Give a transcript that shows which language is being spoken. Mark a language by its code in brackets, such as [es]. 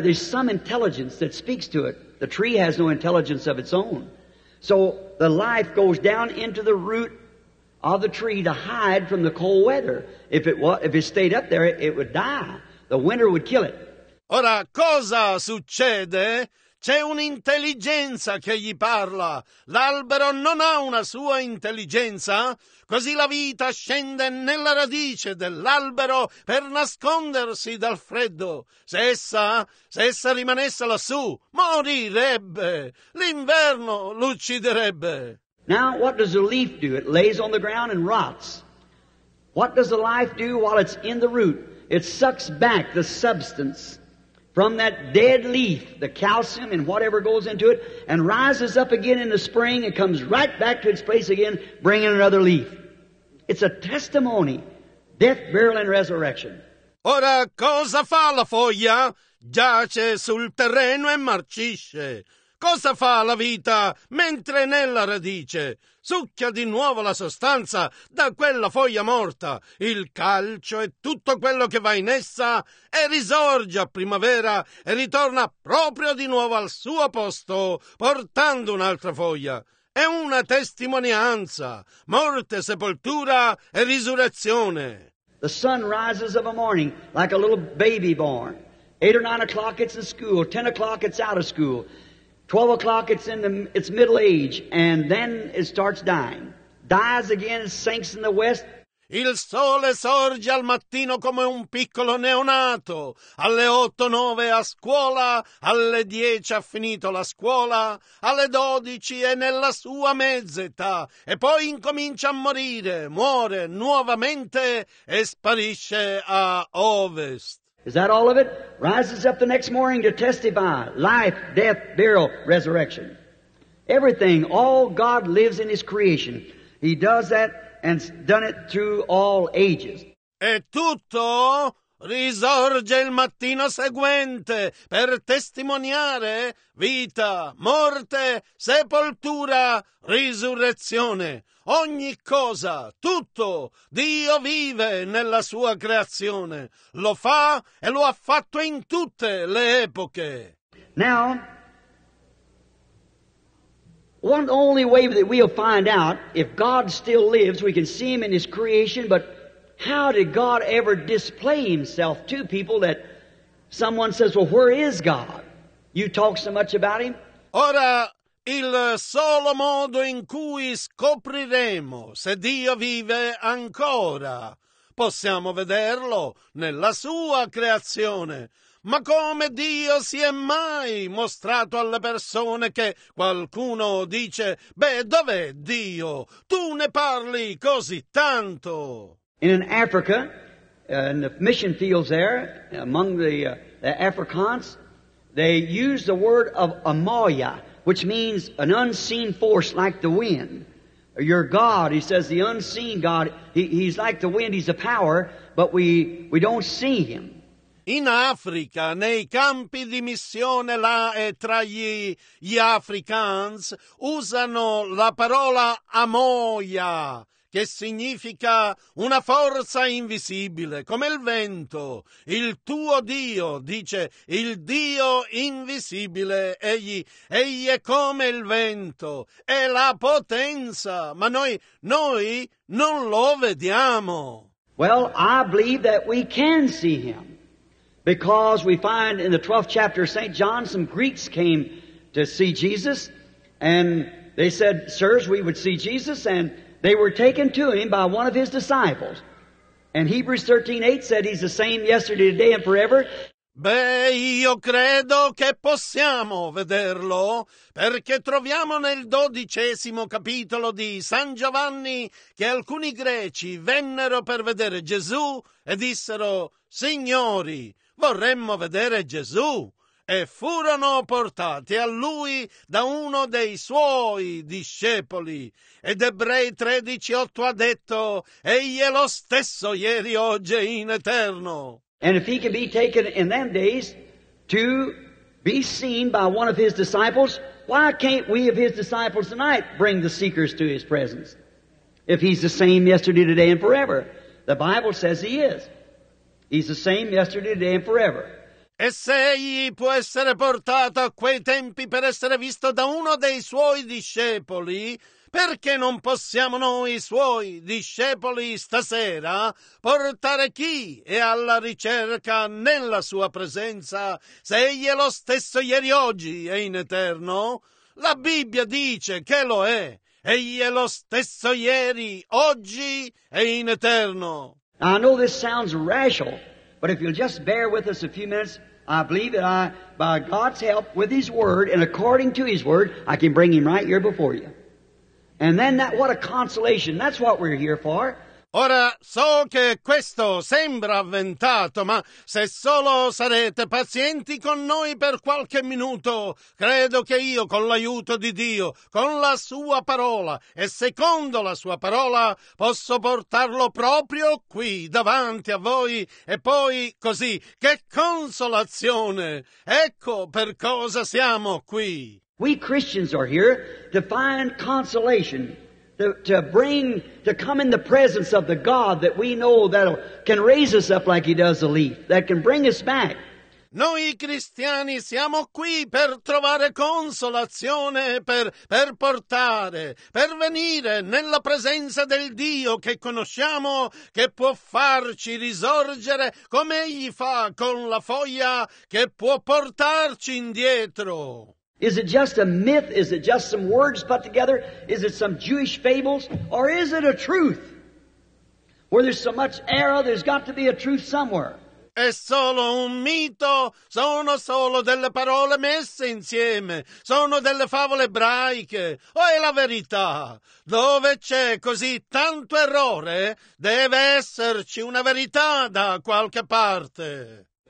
[en] There's some intelligence that speaks to it. The tree has no intelligence of its own. So the life goes down into the root of the tree to hide from the cold weather. If it stayed up there, it would die. The winter would kill it. [it] Ora, cosa succede? C'è un'intelligenza che gli parla. L'albero non ha una sua intelligenza? Così la vita scende nella radice dell'albero per nascondersi dal freddo. Se essa rimanesse lassù, morirebbe. L'inverno l'ucciderebbe. [en] Now, what does the leaf do? It lays on the ground and rots. What does the life do while it's in the root? It sucks back the substance from that dead leaf, the calcium and whatever goes into it, and rises up again in the spring and comes right back to its place again, bringing another leaf. It's a testimony, death, burial, and resurrection. [it] Ora cosa fa la foglia? Giace sul terreno e marcisce. Cosa fa la vita mentre nella radice? Succhia di nuovo la sostanza da quella foglia morta, il calcio e tutto quello che va in essa, e risorge a primavera e ritorna proprio di nuovo al suo posto, portando un'altra foglia. È una testimonianza, morte, sepoltura e risurrezione. [en] The sun rises of a morning like a little baby born. 8 or 9 o'clock it's in school, 10 o'clock it's out of school. 12 o'clock, it's middle age, and then it starts dying. Dies again, sinks in the west. [it] Il sole sorge al mattino come un piccolo neonato. Alle 8, 9 a scuola, alle 10 ha finito la scuola, alle 12 è nella sua mezza età, e poi incomincia a morire, muore nuovamente e sparisce a ovest. [en] Is that all of it? Rises up the next morning to testify life, death, burial, resurrection. Everything, all God lives in His creation. He does that and has done it through all ages. [it] E tutto risorge il mattino seguente per testimoniare vita, morte, sepoltura, risurrezione. Ogni cosa, tutto, Dio vive nella sua creazione. Lo fa e lo ha fatto in tutte le epoche. [en] Now, one only way that we'll find out if God still lives, we can see Him in His creation, but how did God ever display Himself to people that someone says, well, where is God? You talk so much about Him? [it] Ora, il solo modo in cui scopriremo se Dio vive ancora, possiamo vederlo nella sua creazione. Ma come Dio si è mai mostrato alle persone che qualcuno dice, beh, dov'è Dio? Tu ne parli così tanto. [en] In Africa, in the mission fields there, among the Afrikaans, they use the word of Amaya, which means an unseen force like the wind. Your God, he says, the unseen God, he's like the wind, he's a power, but we don't see him. [it] In Africa, nei campi di missione là e tra gli Afrikaans, usano la parola Amaya, che significa una forza invisibile, come il vento. Il tuo Dio, dice, il Dio invisibile, egli è come il vento, è la potenza, ma noi non lo vediamo. [en] Well, I believe that we can see him, because we find in the 12th chapter of St. John, some Greeks came to see Jesus, and they said, sirs, we would see Jesus, and they were taken to him by one of his disciples. And Hebrews 13:8 said he's the same yesterday, today, and forever. [it] Beh, io credo che possiamo vederlo, perché troviamo nel 12° capitolo di San Giovanni che alcuni greci vennero per vedere Gesù e dissero, signori, vorremmo vedere Gesù. E furono portati a lui da uno dei suoi discepoli. Ed Ebrei 13:8 ha detto, egli è lo stesso ieri, oggi e in eterno. [en] And if he can be taken in them days to be seen by one of his disciples, why can't we of his disciples tonight bring the seekers to his presence? If he's the same yesterday, today, and forever. The Bible says he is. He's the same yesterday, today, and forever. [it] E se egli può essere portato a quei tempi per essere visto da uno dei suoi discepoli, perché non possiamo noi suoi discepoli stasera portare chi è alla ricerca nella sua presenza, se egli è lo stesso ieri, oggi e in eterno? La Bibbia dice che lo è, egli è lo stesso ieri, oggi e in eterno. [en] I know this sounds rational, but if you'll just bear with us a few minutes, I believe that I, by God's help, with His Word, and according to His Word, I can bring Him right here before you. And then that, what a consolation, that's what we're here for. [it] Ora, so che questo sembra avventato, ma se solo sarete pazienti con noi per qualche minuto, credo che io, con l'aiuto di Dio, con la Sua parola e secondo la Sua parola, posso portarlo proprio qui, davanti a voi, e poi così. Che consolazione! Ecco per cosa siamo qui. [en] We Christians are here to find consolation. To come in the presence of the God that we know that can raise us up like He does a leaf, that can bring us back. [it] Noi cristiani siamo qui per trovare consolazione, per portare, per venire nella presenza del Dio che conosciamo, che può farci risorgere come Egli fa con la foglia, che può portarci indietro. [en] Is it just a myth? Is it just some words put together? Is it some Jewish fables? Or is it a truth? Where there's so much error, there's got to be a truth somewhere. [it] È solo un mito, sono solo delle parole messe insieme, sono delle favole ebraiche, o è la verità? Dove c'è così tanto errore, deve esserci una verità da qualche parte.